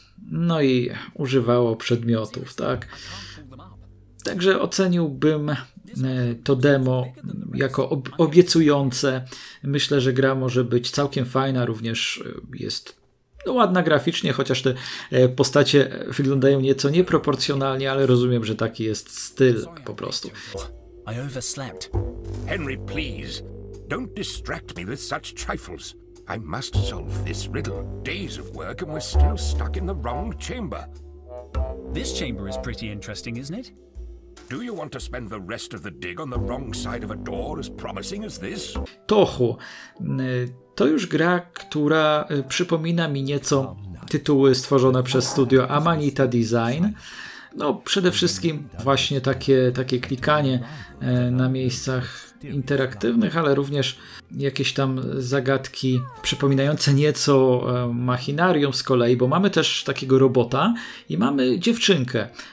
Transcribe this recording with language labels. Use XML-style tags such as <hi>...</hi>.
<pl>No i używało przedmiotów, tak? Także oceniłbym to demo jako obiecujące. Myślę, że gra może być całkiem fajna, również jest ładna graficznie, chociaż te postacie wyglądają nieco nieproporcjonalnie, ale rozumiem, że taki jest styl po prostu.</pl> <en>I overslept. Henry, please, don't distract me with such trifles. I must solve this riddle. Days of work and we're still stuck in the wrong chamber. This chamber is pretty interesting, isn't it? Do you want to spend the rest of the dig on the wrong side of a door as promising as this?</en> <pl>Tohu, to już gra, która przypomina mi nieco tytuły stworzone przez studio Amanita Design. No, przede wszystkim właśnie takie klikanie na miejscach interaktywnych, ale również jakieś tam zagadki przypominające nieco machinarium z kolei, bo mamy też takiego robota i mamy dziewczynkę.</pl>